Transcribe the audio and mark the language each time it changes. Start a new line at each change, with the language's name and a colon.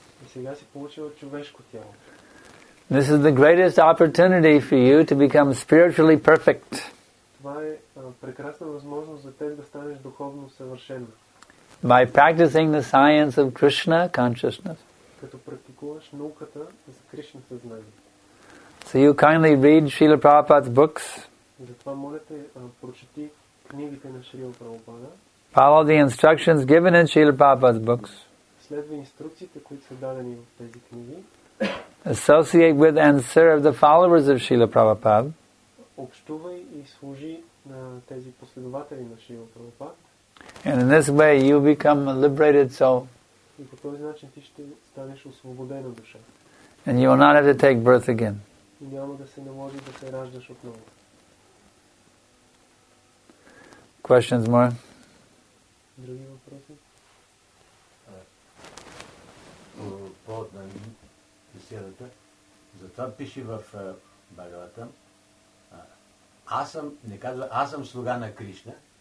Bulgarian: И сега си получил човешко тяло.
English: This is the greatest opportunity for you to become spiritually perfect.
Bulgarian: Това е прекрасна възможност за теб да станеш духовно съвършен.
English: By practicing the science of Krishna consciousness.
Bulgarian: Като практикуваш науката за Кришна съзнание.
English: So you kindly read Srila Prabhupada's books.
Bulgarian: Затова молете, прочети книгите на Шрила Прабхупада.
English: Follow the instructions given in Srila Prabhupada's books.
Bulgarian: Следва инструкциите, които са дадени в тези книги.
English: Associate with and serve the followers of Srila Prabhupada.
Bulgarian: Общувай и служи на тези последователи на Шрила Прабхупада.
English: And in this way you become a liberated soul.
Bulgarian: И по този начин ти ще станеш освободена душа.
English: And you will not have to take birth again.
Bulgarian: Няма да се наложи да се раждаш отново.
English: Questions more?
Bulgarian: Други въпроси? Повод на беседата. Затова пише в Бхагаватам. Аз съм, не казва, аз съм слуга на Кришна,